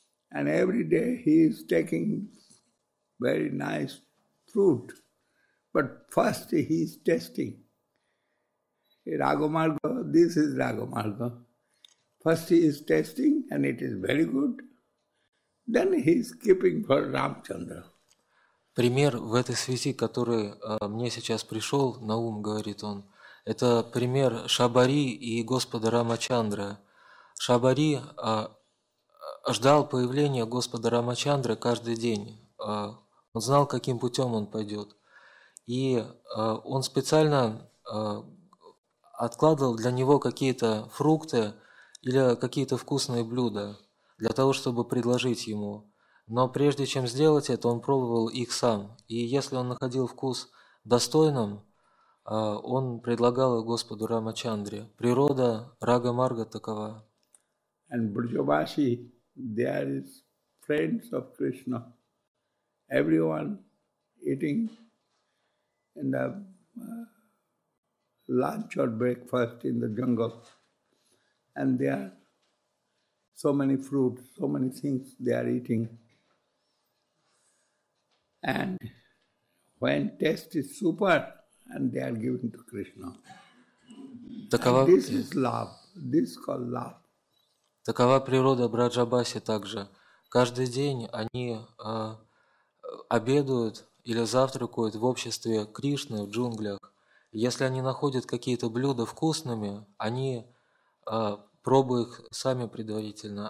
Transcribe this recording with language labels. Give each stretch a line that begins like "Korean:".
English: And every day he is taking very nice fruit. But first he is testing. Ragamarga, this is Ragamarga. First he is testing and it is very good. Then he is keeping for Ramchandra.
Russian: Пример в этой связи, который мне сейчас пришел на ум, говорит он, это пример Шабари и Господа Рамачандра. Шабари ждал появления Господа Рамачандры каждый день. Он знал, каким путем он пойдет. И он специально откладывал для него какие-то фрукты или какие-то вкусные блюда для того, чтобы предложить ему. Но прежде чем сделать это, он пробовал их сам. И если он находил вкус достойным, он предлагал их Господу Рамачандре. Природа Рага-Марга такова.
English: And Брджабаси, there is friends of Krishna. Everyone eating in the lunch or breakfast in the jungle. And there are so many fruits, so many things they are eating. And when taste is super, and they are giving to Krishna.
Russian: Такова...
English: And this is love. This is called love.
Russian: Такова природа Браджабаси также. Каждый день они обедают или завтракают в обществе Кришны в джунглях. Если они находят какие-то блюда вкусными, они пробуют их сами предварительно.